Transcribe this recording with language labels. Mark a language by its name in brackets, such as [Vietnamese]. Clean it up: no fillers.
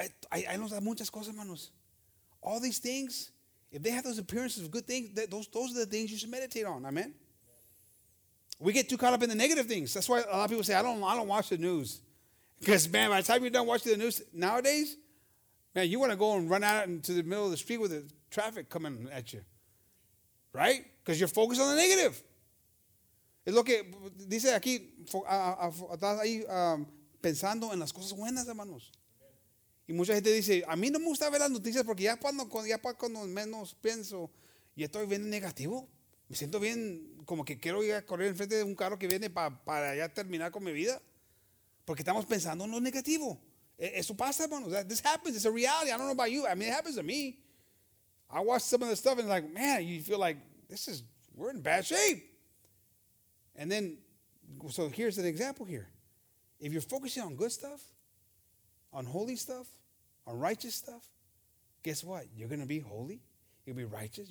[English] I know that [Spanish] muchas cosas, hermanos. [English] All these things, if they have those appearances of good things, those are the things you should meditate on. Amen. We get too caught up in the negative things. That's why a lot of people say, I don't watch the news. Because, man, by the time you're done watching the news nowadays, man, you want to go and run out into the middle of the street with the traffic coming at you. Right? Because you're focused on the negative. [Spanish] Es lo que dice aquí, ahí pensando en las cosas buenas, hermanos. Y mucha gente dice, a mí no me gusta ver las noticias porque ya cuando menos pienso, ya estoy bien negativo. Me siento bien, como que quiero ir a correr enfrente de un carro que viene para ya terminar con mi vida. Porque estamos pensando en lo negativo. Eso pasa, hermanos. [English] This happens. It's a reality. I don't know about you. I mean, it happens to me. I watched some of the stuff and like, man, you feel like this is, we're in bad shape. And then, so here's an example here. If you're focusing on good stuff, on holy stuff, on righteous stuff, guess what? You're going to be holy. You'll be righteous.